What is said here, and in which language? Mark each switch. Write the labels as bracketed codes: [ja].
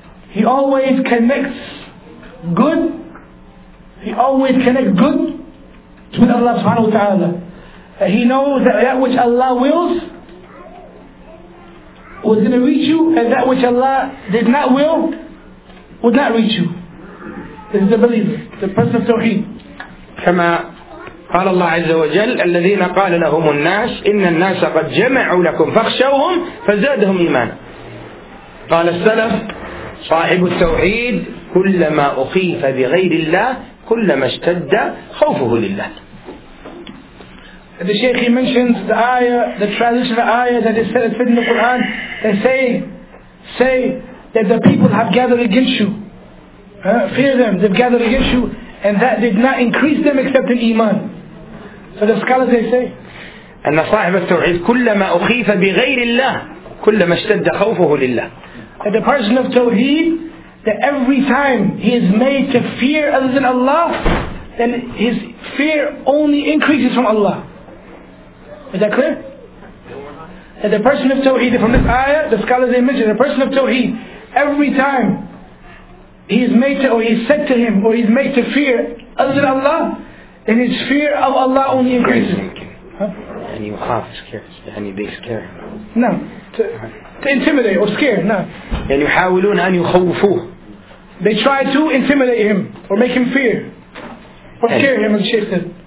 [en] He always connects good. He always connects good with Allah subhanahu wa ta'ala. That he knows that which Allah wills was going to reach you, and that which Allah did not will would not reach you. This is the believer, the person of Tawheed. [ar] كما قال الله عز وجل الذين قال لهم الناس إن الناس قد جمعوا لكم فاخشوهم فزادهم إيمانا. قال السلف صاحب التوحيد كلما أخيف بغير الله كلما اشتد خوفه لله. [en] The Sheikh, he mentions the ayah, the traditional ayah that is said in the Quran. They say that the people have gathered against you. Fear them, they've gathered against you, and that did not increase them except in iman. So the scholars, they say, [ar] أن صاحب التوحيد كلما أخيف بغير الله كلما اشتد خوفه لله. [en] That the person of Tawheed, that every time he is made to fear other than Allah, then his fear only increases from Allah. Is that clear? That the person of Tawheed, from this ayah, the scholars they mention, the person of Tawheed, every time he is made to, or he is said to him, or he is made to fear other than Allah, then his fear of Allah only increases. And you have scared, and you be scared. No. To intimidate or scare, no. And you [ar] حاولون أن يخوفوه. [en] They try to intimidate him or make him fear or scare him, as the Sheikh said.